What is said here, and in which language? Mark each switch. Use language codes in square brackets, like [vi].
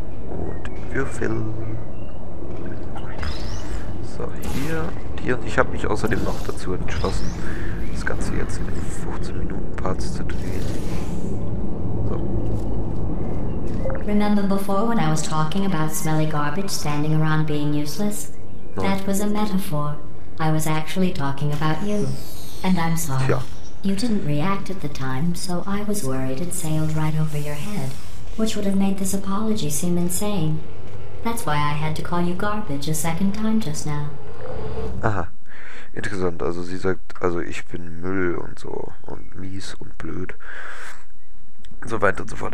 [de] Und Würfel. So, hier, hier. Und ich habe mich außerdem noch dazu entschlossen, das Ganze jetzt in 15 Minuten Parts zu drehen. [en] Remember before when I was talking about smelly garbage standing around being useless? No. That was a metaphor. I was actually talking about you. And I'm sorry. Tja. You didn't react at the time, so I was worried it sailed right over your head. Which would have made this apology seem insane. That's why I had to call you garbage a second time just now. [de] Aha. Interessant. Also sie sagt, also ich bin Müll und so. Und mies und blöd. Und so weiter und so fort.